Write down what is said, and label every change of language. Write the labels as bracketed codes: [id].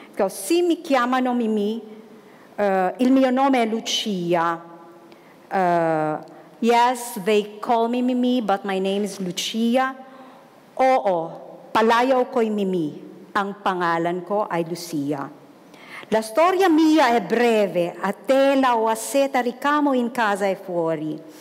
[it] Go, Si mi chiamano Mimi, il mio nome è Lucia. [en] Yes, they call me Mimi, but my name is Lucia. [tl] Oo, palayaw ko'y Mimi, ang pangalan ko ay Lucia. [it] La storia mia è breve, a tela o a seta ricamo in casa e fuori.